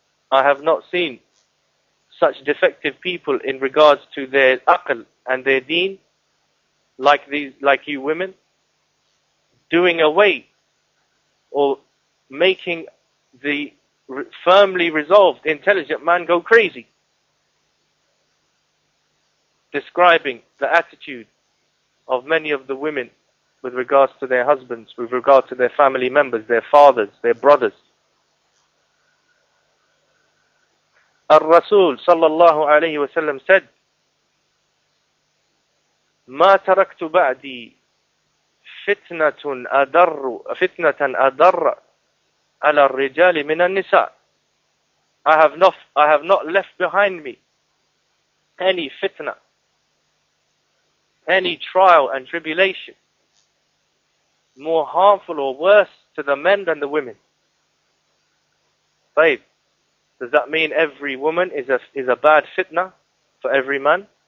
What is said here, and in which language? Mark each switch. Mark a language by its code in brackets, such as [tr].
[en] I have not seen such defective people in regards to their aql and their deen, like you women, doing away or making the firmly resolved, intelligent man go crazy. Describing the attitude of many of the women with regards to their husbands, with regard to their family members, their fathers, their brothers. [ar] Al-Rasul sallallahu alayhi wa sallam [en] said, [ar] مَا تَرَكْتُ بَعْدِي فِتْنَةً أَدَرَّ عَلَى الرِّجَالِ مِنَ النِّسَاءِ. [en] I have not left behind me any fitna, any trial and tribulation more harmful or worse to the men than the women. Babe, does that mean every woman is a bad fitna for every man?